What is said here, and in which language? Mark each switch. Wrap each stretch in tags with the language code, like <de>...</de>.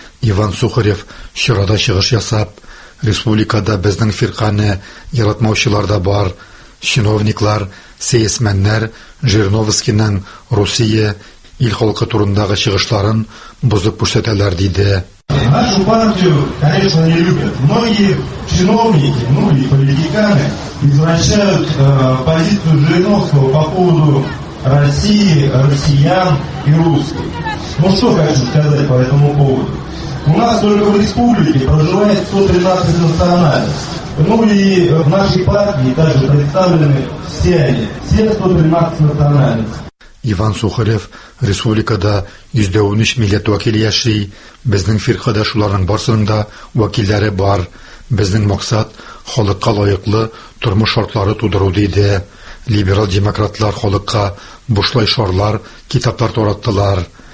<tt>Иван Сухарев чарада чыгыш ясап, республикада безнең фирканы яратмаучылар да бар, чиновниклар, сейсменнәр Жириновскийның Русия ил халкы турындагы чыгышларын бузып күрсәтәләр, диде.</tt> <ru>Нашу партию, конечно, не любят. Многие чиновники, многие политиканы извращают позицию Жириновского по поводу России, россиян и русских. Ну что хочу сказать по этому поводу? У нас только в республике проживает 113 национальностей. Ну и в нашей партии также представлены все они, все 113 национальностей.</ru> <tt>Иван Сухарев республикада 113 милләт вәкиле яши. Безнең фирқада шуларның барсында вәкилләре бар. Безнең максат халыкка лайыклы тормыш шартлары тудыру, диде. Либерал демократлар халыкка бушлай шарлар, китаплар тараттылар.</tt>